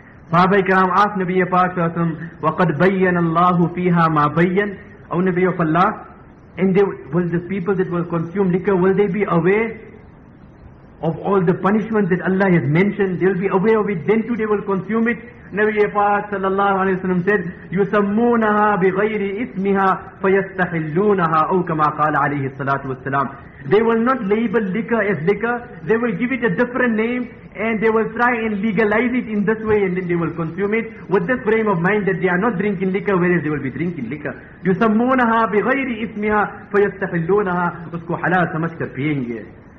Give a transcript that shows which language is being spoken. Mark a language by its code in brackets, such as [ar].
[en] Sahaba Ikram asked Nabi Pak Sahasam, [ar] وَقَدْ بَيَّنَ اللَّهُ فِيهَا مَا بَيَّنَ. [en] O Nabi of Allah, and they, will the people that will consume liquor, will they be aware of all the punishments that Allah has mentioned? They will be aware of it, then too they will consume it. [ar] Nabi Pak Sallallahu Alaihi Wasallam said, يُسَمُّونَهَا بِغَيْرِ إِثْمِهَا فَيَسْتَحِلُّونَهَا أَوْ كَمَا قَالَ عَلَيْهِ الصَّلَاةُ وَالسَّلَامُ. [en] They will not label liquor as liquor, they will give it a different name, and they will try and legalize it in this way, and then they will consume it with this frame of mind that they are not drinking liquor, whereas they will be drinking liquor. [ar] يُسَمُّونَهَا بِغَيْرِ إِثْمِهَا فَيَسْتَحِلُّونَهَا اُسْكُو حَلَاءَ سَمَشْكَ پِيَنْگِ.